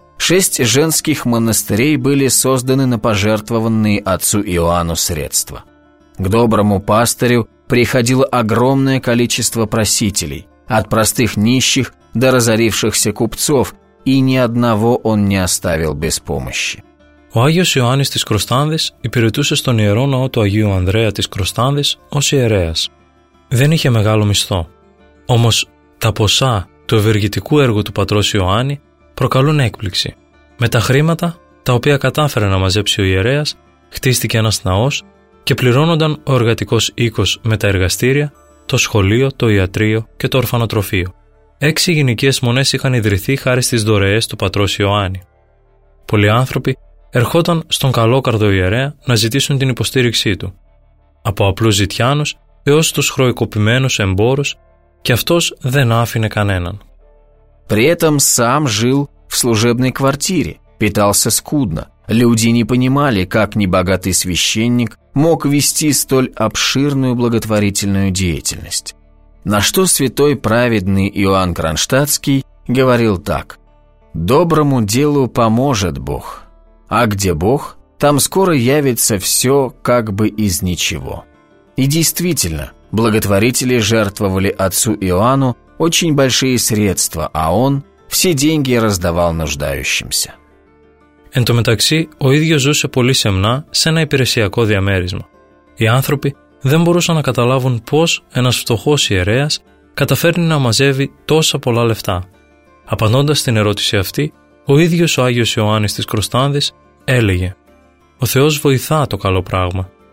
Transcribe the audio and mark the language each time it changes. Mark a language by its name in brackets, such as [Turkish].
[Russian] 6 женских монастырей были созданы на пожертвованные отцу Иоанну средства. К доброму пастырю приходило огромное количество просителей, от простых нищих до разорившихся купцов, и ни одного он не оставил без помощи. [Greek] Ο Άγιος Ιωάννης της Κροστάνδης υπηρετούσε στον Ιερό Ναό του Αγίου Ανδρέα της Κροστάνδης ως ιερέας. Δεν είχε μεγάλο μισθό. Όμως τα ποσά του ευεργητικού έργου του πατρός Ιωάννη προκαλούν έκπληξη. Με τα χρήματα τα οποία κατάφερε να μαζέψει ο ιερέας, χτίστηκε ένας ναός και πληρώνονταν ο εργατικός οίκος με τα εργαστήρια, το σχολείο, το ιατρείο και το ορφανοτροφείο. 6 γυναικείες μονές είχαν ιδρυθεί χάρη στις δωρεές του πατρός Ιωάννη. Πολλοί άνθρωποι ερχόταν στον καλόκαρδο ιερέα να ζητήσουν την υποστήριξή του. Από απλούς ζητιάνους έως τους χρεοκοπημένους εμπόρους, και αυτός δεν άφηνε κανέναν. [Russian] При этом сам жил в служебной квартире, питался скудно. Люди не понимали, как небогатый священник мог вести столь обширную благотворительную деятельность. На что святой праведный Иоанн Кронштадтский говорил так: «Доброму делу поможет Бог». А где Бог, там скоро явится все как бы из ничего. И действительно, благотворители жертвовали отцу Иоанну очень большие средства, а он все деньги раздавал нуждающимся. [Greek] Εν τω μεταξύ, ο ίδιος ζούσε πολύ σεμνά σε ένα υπηρεσιακό διαμέρισμα. Οι άνθρωποι δεν μπορούσαν να καταλάβουν πώς ένας φτωχός ιερέας καταφέρνει να μαζεύει τόσα πολλά λεφτά. Απαντώντας στην ερώτηση αυτή, ο ίδιος ο Άγιος Ιωάννης της Κροστάνδης έλεγε: «Ο Θεός βοηθά το καλό πράγμα.